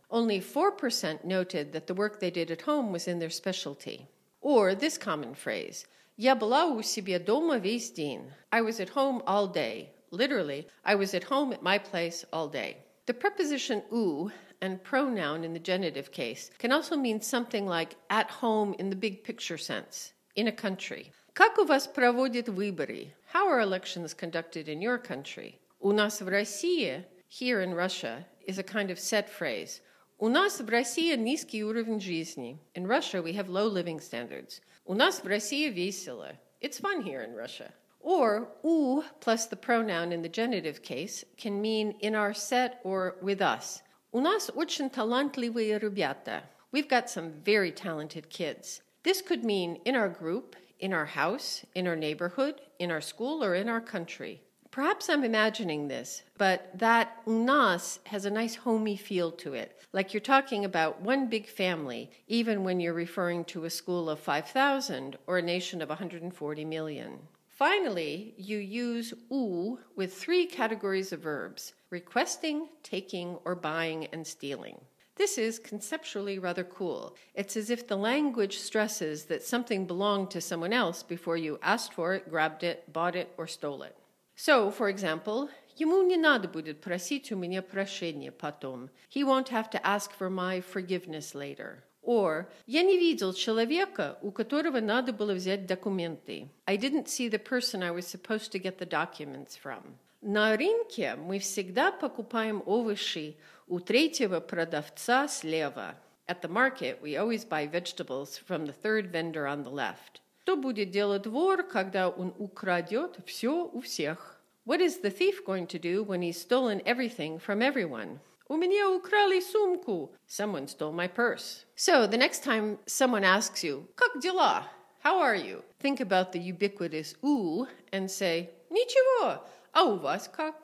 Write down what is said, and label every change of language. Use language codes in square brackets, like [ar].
[en] Only 4% noted that the work they did at home was in their specialty. Or this common phrase, [ru] Я была у себя дома весь день. [en] I was at home all day. Literally, I was at home at my place all day. The preposition у and pronoun in the genitive case can also mean something like at home in the big picture sense, in a country. [ru] Как у вас проводят выборы? [en] How are elections conducted in your country? [ru] У нас в России, [en] here in Russia, is a kind of set phrase. [ru] У нас в России низкий уровень жизни. [en] In Russia, we have low living standards. [ru] У нас в России весело. [en] It's fun here in Russia. Or у plus the pronoun in the genitive case can mean in our set or with us. [ru] У нас очень талантливые ребята. [en] We've got some very talented kids. This could mean in our group, in our house, in our neighborhood, in our school, or in our country. Perhaps I'm imagining this, but that [ru] у нас [en] has a nice homey feel to it, like you're talking about one big family, even when you're referring to a school of 5,000 or a nation of 140 million. Finally, you use у with three categories of verbs, requesting, taking, or buying and stealing. This is conceptually rather cool. It's as if the language stresses that something belonged to someone else before you asked for it, grabbed it, bought it, or stole it. So, for example, [ru] ему не надо будет просить у меня прощения потом. [en] He won't have to ask for my forgiveness later. Or, [ru] я не видел человека, у которого надо было взять документы. [en] I didn't see the person I was supposed to get the documents from. [ru] На рынке мы всегда покупаем овощи у третьего продавца слева. [en] At the market, we always buy vegetables from the third vendor on the left. [ru] Что будет делать вор, когда он украдет все у всех? [en] What is the thief going to do when he's stolen everything from everyone? [ru] У меня украли сумку. [en] Someone stole my purse. So the next time someone asks you, [ru] как дела? [en] How are you? Think about the ubiquitous "oo" and say, [ru] ничего. А у вас как?